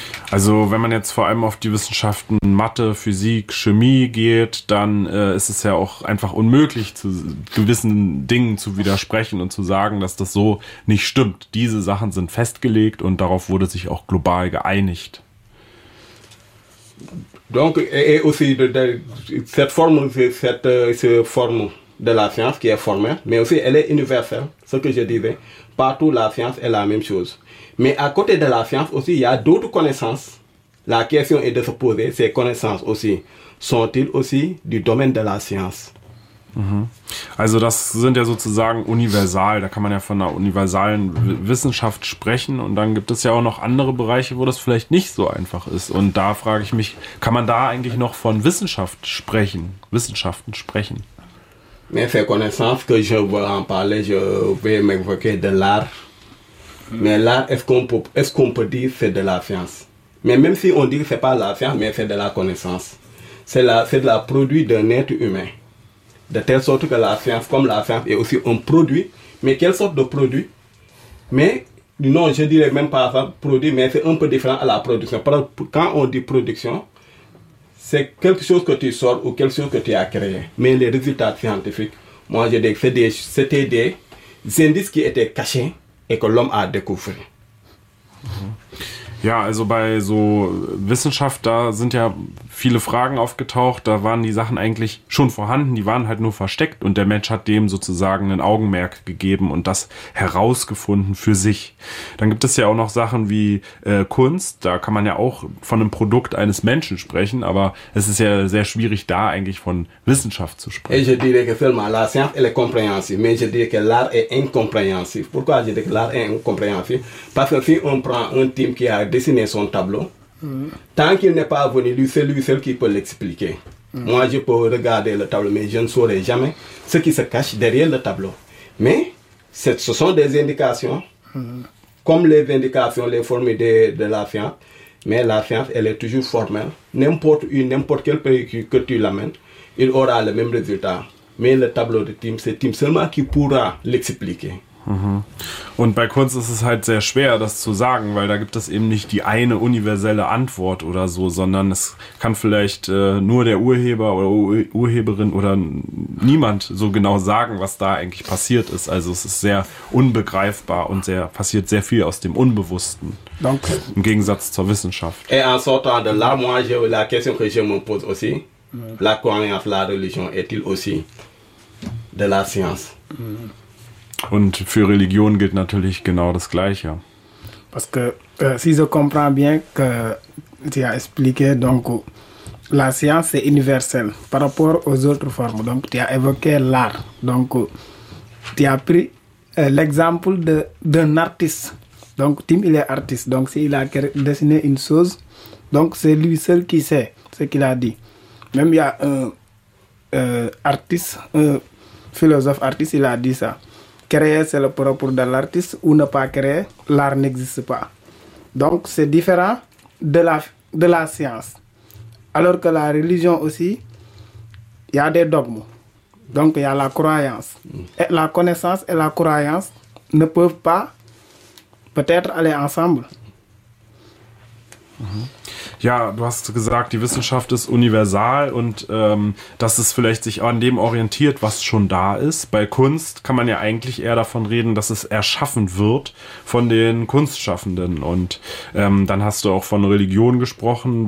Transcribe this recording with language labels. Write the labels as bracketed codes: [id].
[de] Also wenn man jetzt vor allem auf die Wissenschaften Mathe, Physik, Chemie geht, dann ist es ja auch einfach unmöglich, zu gewissen Dingen zu widersprechen und zu sagen, dass das so nicht stimmt. Diese Sachen sind festgelegt und darauf wurde sich auch global geeinigt. [fr] Donc, et aussi cette forme de la science qui est formelle, mais aussi elle est universelle, ce que je disais. Partout, la science est la même chose. Mais à côté de la science aussi, il y a d'autres connaissances. La question est de se poser, ces connaissances aussi, sont-ils aussi du domaine de la science? [de] Also das sind ja sozusagen universal, da kann man ja von einer universalen Wissenschaft sprechen und dann gibt es ja auch noch andere Bereiche, wo das vielleicht nicht so einfach ist und da frage ich mich, kann man da eigentlich noch von Wissenschaft sprechen, Wissenschaften sprechen? [fr] Mais ces connaissances que je veux en parler, je vais m'évoquer de l'art. Mais l'art, est-ce qu'on peut dire que c'est de la science? Mais même si on dit que ce n'est pas la science, mais c'est de la connaissance. C'est de la produit d'un être humain. De telle sorte que la science, comme la science, est aussi un produit. Mais quelle sorte de produit? Mais non, je dirais même pas ça, produit, mais c'est un peu différent à la production. Quand on dit production, c'est quelque chose que tu sors ou quelque chose que tu as créé. Mais les résultats scientifiques, moi je dis que c'était des indices qui étaient cachés et que l'homme a découvert. [de] Ja, also bei so Wissenschaft, da sind ja viele Fragen aufgetaucht. Da waren die Sachen eigentlich schon vorhanden, die waren halt nur versteckt. Und der Mensch hat dem sozusagen ein Augenmerk gegeben und das herausgefunden für sich. Dann gibt es ja auch noch Sachen wie Kunst. Da kann man ja auch von einem Produkt eines Menschen sprechen. Aber es ist ja sehr schwierig, da eigentlich von Wissenschaft zu sprechen. [fr] Ich dirais que seulement la science est compréhensive. Mais je dirais que l'art est incompréhensif. Pourquoi je dirais que l'art est incompréhensif? Parce que si on prend un type qui a dessiné son tableau, tant qu'il n'est pas venu, lui seul qui peut l'expliquer. Moi, je peux regarder le tableau, mais je ne saurais jamais ce qui se cache derrière le tableau. Mais ce sont des indications, comme les indications, les formes de la science. Mais la science, elle est toujours formelle. N'importe quel pays que tu l'amènes, il aura le même résultat. Mais le tableau de Tim, c'est Tim seulement qui pourra l'expliquer. [de] Und bei Kunst ist es halt sehr schwer, das zu sagen, weil da gibt es eben nicht die eine universelle Antwort oder so, sondern es kann vielleicht nur der Urheber oder Urheberin oder niemand so genau sagen, was da eigentlich passiert ist. Also es ist sehr unbegreifbar und passiert sehr viel aus dem Unbewussten. Danke. Im Gegensatz zur Wissenschaft. [fr] Et en sortant de là, moi, j'ai la question que je me pose aussi. La croyance, la religion est-il aussi de la science? [de] Und für Religion gilt natürlich genau das Gleiche. [fr] Parce que si je comprends bien que tu as expliqué, donc la science est universelle par rapport aux autres formes. Donc tu as évoqué l'art. Donc tu as pris l'exemple d'un artiste. Donc Tim, il est artiste. Donc s'il a dessiné une chose, donc c'est lui seul qui sait ce qu'il a dit. Même il y a un artiste, un philosophe artiste, il a dit ça. Créer, c'est le propre de l'artiste, ou ne pas créer, l'art n'existe pas. Donc c'est différent de la science. Alors que la religion aussi, il y a des dogmes. Donc il y a la croyance. Et la connaissance et la croyance ne peuvent pas peut-être aller ensemble. [de] Ja, du hast gesagt, die Wissenschaft ist universal und dass es vielleicht sich an dem orientiert, was schon da ist. Bei Kunst kann man ja eigentlich eher davon reden, dass es erschaffen wird von den Kunstschaffenden. Und dann hast du auch von Religion gesprochen.